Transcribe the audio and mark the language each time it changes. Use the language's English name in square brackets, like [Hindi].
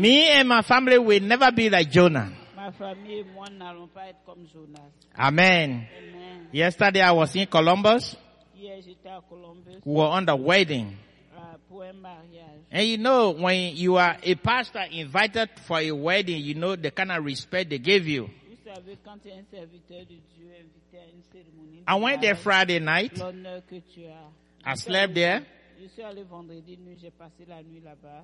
[English] Me and my family will never be like Jonah. [French] Ma famille et moi n'allons pas être comme Jonas. [English] Amen. Amen. Yesterday I was in Columbus. [French] Yes, j'étais à Columbus. [English] We were on the wedding. [French] Pour un mariage. [English] And you know, when you are a pastor invited for a wedding, you know the kind of respect they give you. [French] Vous savez, quand tu es un serviteur de Dieu invité à une cérémonie. [English] I went there Friday night. [French] L'honneur que tu as. [English] I slept there. [French] Je suis allé vendredi nuit, j'ai passé la nuit là-bas.